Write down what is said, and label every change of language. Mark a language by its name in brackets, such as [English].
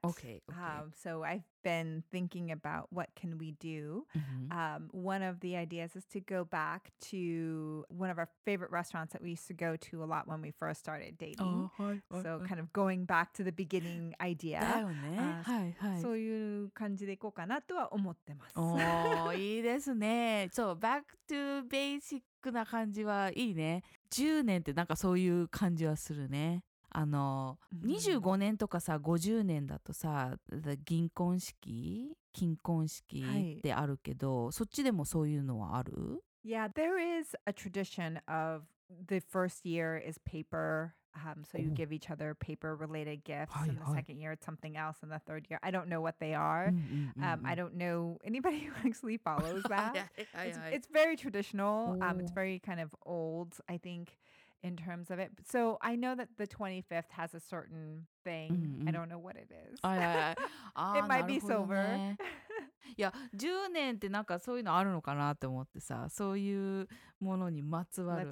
[English] Okay. So I've been thinking about what can we do. One of the ideas is to go back to one of our favorite restaurants that we used to go to a lot when we first started dating. Kind of going back to the beginning idea. [Japanese] そういう感じで行こうかなとは思ってます。いいですね。 [English] So back to basic. [Japanese] な感じはいいね。 10年ってなんかそういう感じはするね。あの、25年とかさ、50年だとさ、銀婚式、金婚式ってあるけど、そっちでもそういうのはある？ [English] Yeah, there is a tradition of the first year is paper. So you give each other paper related gifts. And the second year it's something else. And the third year, I don't know what they are. I don't know anybody who actually follows that. It's very traditional. It's very kind of old, I think, in terms of it. So I know that the 25th has a certain thing. I don't know what it is. It might be silver. [Japanese] いや、10年ってなんかそういうのあるのかなって思ってさ、そういうものにまつわる。